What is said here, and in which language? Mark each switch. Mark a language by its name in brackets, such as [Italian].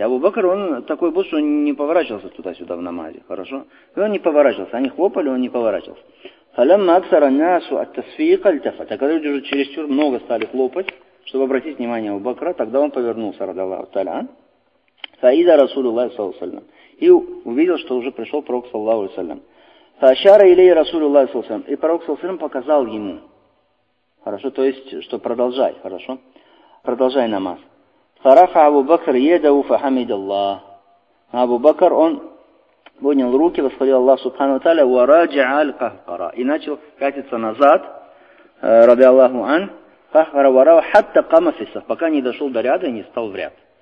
[Russian] Абу Бакр, он такой был, что он не поворачивался туда-сюда в намазе. Хорошо? И он не поворачивался. Они хлопали, он не поворачивался. [Arabic] فَلَمَّا أَكْثَرَ النَّاسُ التَّصْفِيقَ الْتَفَتَ. [Russian] Так когда люди уже чересчур много стали хлопать, чтобы обратить внимание Абу Бакра, тогда он повернулся, [Arabic] رضي الله تعالى عنه, فَإِذَا رَسُولُ اللَّهِ صَلَّى اللَّهُ عَلَيْهِ وَسَلَّمَ. [Russian] И увидел, что уже пришел пророк [Arabic] صلى الله عليه وسلم. فَأَشَارَ إِلَيْهِ رَسُولُ اللَّهِ صَلَّى اللَّهُ عَلَيْهِ وَسَلَّمَ. [Russian] И пророк [Arabic] صلى الله عليه وسلم [Russian] показал ему. Хорошо, то есть, что продолжай, хорошо? Продолжай намаз. [Arabic] فَرَفَعَ أَبُو بَكْرٍ يَدَهُ فَحَمِدَ اللَّهَ. [Russian] Абу Бакр, он поднял руки, восхвалил Аллах Субхану Таля, [Arabic] «Вараджа аль кахкара». [Russian] И начал катиться назад, ради Аллаху ан, [Arabic] «Кахкара варава хатта камафиса», [Russian] пока не дошел до ряда и не стал в ряд.